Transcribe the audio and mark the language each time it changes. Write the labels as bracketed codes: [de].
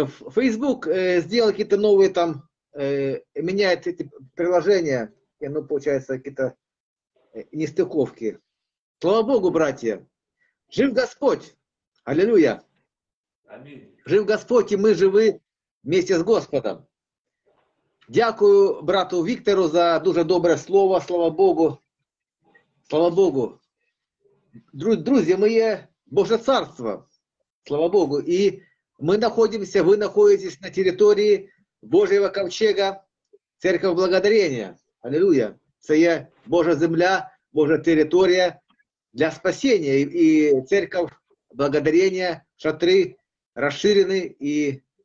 [ru] Facebook сделал какие-то новые там, меняет эти приложения, и оно, получается, какие-то нестыковки. Слава Богу, братья. Жив Господь. Аллилуйя. Аминь. Жив Господь, и мы живы вместе с Господом. [uk] Дякую брату Виктору за дуже доброе слово. [ru] Слава Богу. Слава Богу. Друзья, мы є Боже царство, слава Богу, и мы находимся, вы находитесь на территории Божьего ковчега, церковь благодарения, аллилуйя, это [uk] є Божа земля, [ru] Божа территория для спасения, и церковь благодарения, шатры расширены, и